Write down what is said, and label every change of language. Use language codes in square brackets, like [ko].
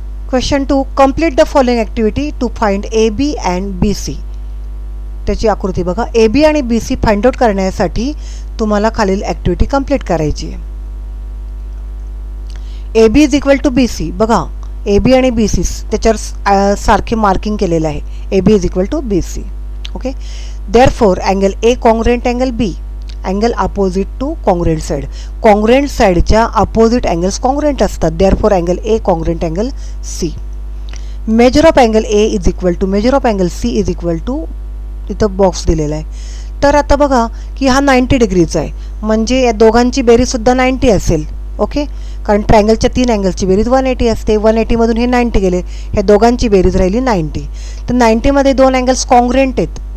[en] Question 2, complete the following activity to find A B and B C. [mr] त्याची आकृती बघा. A B आणि B C find out करण्यासाठी तुम्हाला खालील ॲक्टिव्हिटी कम्प्लीट करायची आहे. [en] A B is equal to B C, [mr] बघा ए बी आणि बी सी त्याच्यावर सारखे मार्किंग केलेलं आहे. [en] A B is equal to B C, okay. Therefore angle A congruent angle B, angle opposite to congruent side. [mr] Congruent साइडच्या opposite angles congruent असतात. [en] Therefore angle A congruent angle C. Measure of angle A is equal to measure of angle C is equal to, [mr] इथं box दिलेला आहे. तर आता बघा की हा 90 डिग्रीचा आहे, म्हणजे या दोघांची बेरीजसुद्धा 90 असेल, ओके. कारण ट्रायंगलच्या तीन अँगल्सची बेरीज 180 असते. 180 हे 90 गेले, ह्या दोघांची बेरीज राहिली 90. तर 90 दोन अँगल्स कॉन्ग्रुएंट आहेत,